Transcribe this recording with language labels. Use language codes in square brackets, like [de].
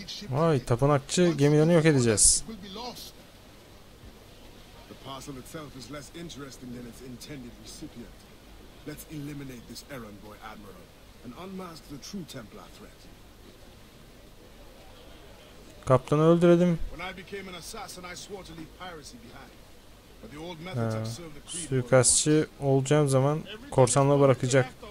[tr] Vay, tapınakçı gemilerini yok edeceğiz. [en] The parcel itself is less interesting than its intended recipient. Let's eliminate this errand boy admiral and unmask the true Templar threat. [tr] Kaptanı öldürdüm. [en] When I became an assassin, I swore to leave piracy behind. But the old methods have served the creed. [tr] Suikastçı olacağım zaman korsanlığı bırakacak.